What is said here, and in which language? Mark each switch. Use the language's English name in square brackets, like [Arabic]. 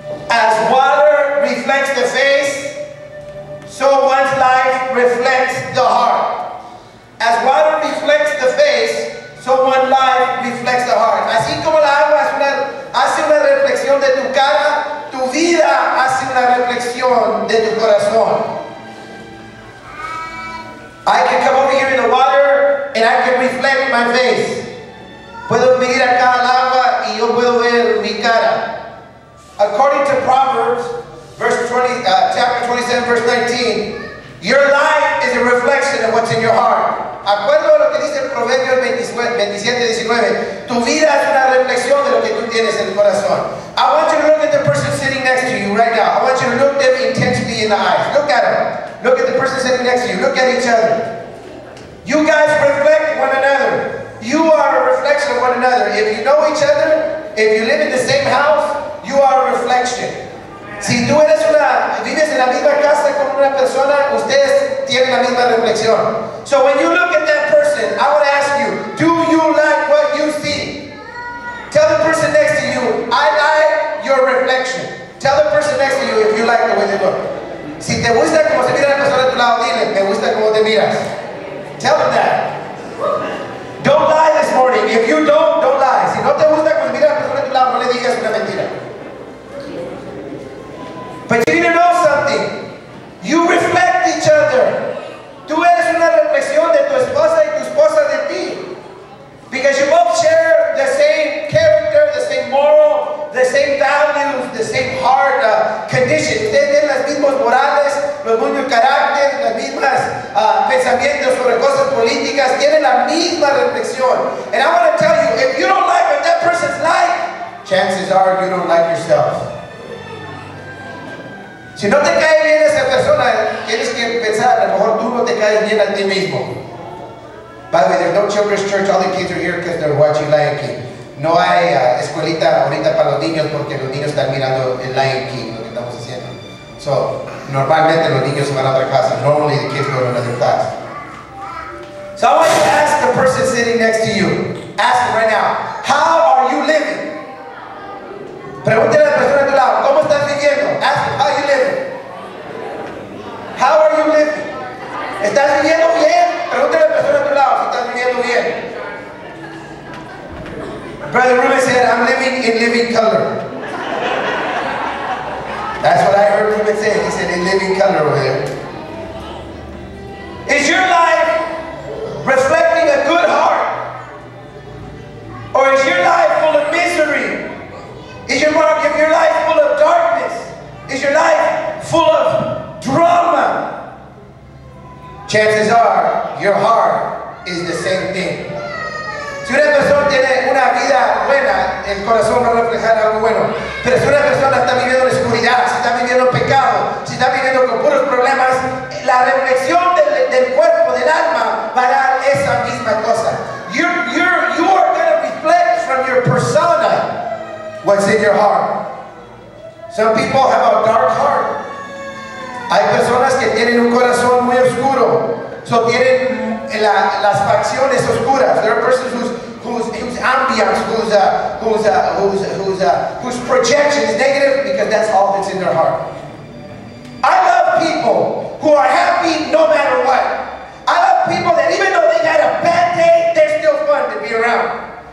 [English] As water reflects the face, so one's life reflects the heart. As water reflects the face, so one life reflects the heart. [Spanish] Así como la agua hace una reflexión de tu cara, tu vida hace una reflexión de tu corazón. [English] I can come over here in the water and I can reflect my face. [Spanish] Puedo venir acá al agua y yo puedo ver mi cara. [English] According to Proverbs, chapter 27, verse 19, your life is a reflection of what's in your heart. [Spanish] Acuerdo a lo que dice Proverbios 27:19. Tu vida es una reflexión de lo que tú tienes en el corazón. [English] I want you to look at the person sitting next to you right now. I want you to look them intensely in the eyes. Look at them. Look at the person sitting next to you. Look at each other. You guys reflect one another. You are a reflection of one another. If you know each other, if you live in the same house, you are a reflection. [Spanish] Si tú eres una, vives en la misma casa con una persona, ustedes tienen la misma reflexión. [English] So when you look at that person, I want to ask you, do you like what you see? Tell the person next to you, I like your reflection. Tell the person next to you if you like the way they look. [Spanish] Si te gusta como se mira la persona a tu lado, dile, me gusta como te miras. [English] Tell them that. Don't lie this morning. If you don't lie. [Spanish] Si no te gusta como se mira la persona a tu lado, no le digas una mentira. [English] But you need to know something. You reflect each other. [Spanish] Tú eres una reflexión de tu esposa y tu esposa de ti. [English] Because you both share the same character, the same moral, the same values, the same heart condition. [Spanish] Ustedes tienen las mismas morales, los mismos carácter, las mismas pensamientos sobre cosas políticas. Tienen la misma reflexión. [English] And I want to tell you, if you don't like what that person's like, chances are you don't like yourself. [Spanish] Si no te cae bien esa persona, tienes que pensar, a lo mejor tú no te caes bien a ti mismo. [English] By the way, there's no children's church. All the kids are here because they're watching Lion King. [Spanish] No hay escuelita ahorita para los niños porque los niños están mirando el Lion King, lo que estamos haciendo. So, normalmente los niños van a otra casa. [English] Normally the kids go to another class. So I want you to ask the person sitting next to you. Ask them right now. How are you living? [Spanish] Pregúntale a la persona a tu lado, ¿cómo estás viviendo? [English] Ask them, how you living? How are you living? [Spanish] ¿Estás viviendo bien? Pregúntale a la persona a tu lado, si estás viviendo bien. [English] Brother Ruben said, I'm living in living color. That's what I heard Ruben say. He said, in living color over there. Is your life reflecting a good heart? Or is your life full of misery? Is your life full of darkness? Is your life full of drama? Chances are, your heart is the same thing. [Spanish] Si una persona tiene una vida buena, el corazón va a reflejar algo bueno. Pero si una persona está viviendo en oscuridad, si está viviendo pecado, si está viviendo con puros problemas, la reflexión del cuerpo, del alma, va a dar esa misma cosa. [English] You are going to reflect from your persona what's in your heart. Some people have a dark heart. [Spanish] Hay personas que tienen un corazón muy oscuro. So tienen las facciones oscuras. [English] There are persons whose ambience, whose projection is negative, because that's all that's in their heart. I love people who are happy no matter what. I love people that even though they had a bad day, they're still fun to be around.